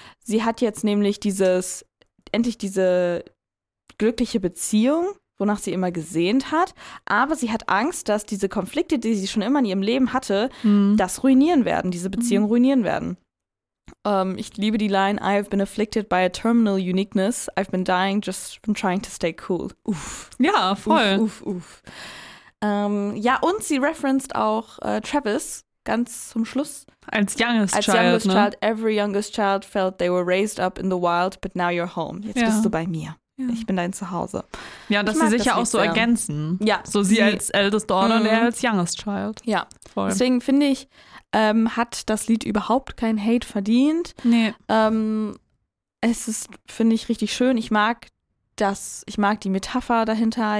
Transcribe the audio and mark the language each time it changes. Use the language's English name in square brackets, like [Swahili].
[German] Sie hat jetzt nämlich diese glückliche Beziehung, wonach sie immer gesehnt hat. Aber sie hat Angst, dass diese Konflikte, die sie schon immer in ihrem Leben hatte, das ruinieren werden, diese Beziehung ruinieren werden. Ich liebe die Line, [English] I've been afflicted by a terminal uniqueness. I've been dying just from trying to stay cool. [German] Uff. Ja, voll. Uff. Und sie referenced auch Travis ganz zum Schluss. [English] Als youngest child, every youngest child felt they were raised up in the wild, but now you're home. [German] Jetzt bist du bei mir. Ja. Ich bin dein Zuhause. Ja, und dass sie sich ja auch so ergänzen. Ja. So sie als eldest daughter und er als youngest child. Ja, voll. Deswegen finde ich, hat das Lied überhaupt kein Hate verdient. Nee. Es ist, finde ich, richtig schön. Ich mag die Metapher dahinter.